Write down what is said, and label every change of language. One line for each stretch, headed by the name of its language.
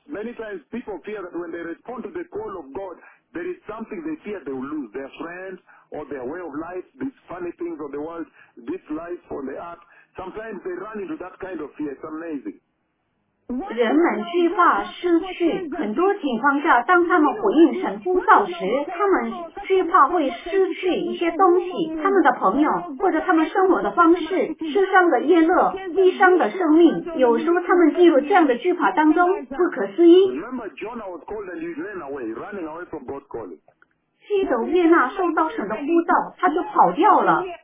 English: Many times people fear that when they respond to the call of God,There is something they fear they will lose, their friends or their way of life, these funny things of the world, this life on the earth. Sometimes they run into that kind of fear. It's amazing.
Chinese: 人们惧怕失去，很多情况下，当他们回应神呼召时，他们惧怕会失去一些东西，他们的朋友或者他们生活的方式，世上的宴乐，地上的生命。有时候他们进入这样的惧怕当中，不可思议。
English: Remember, Jonah was called and he ran away, running away from God's calling.
Chinese: 记得约拿受到神的呼召，他就跑掉了。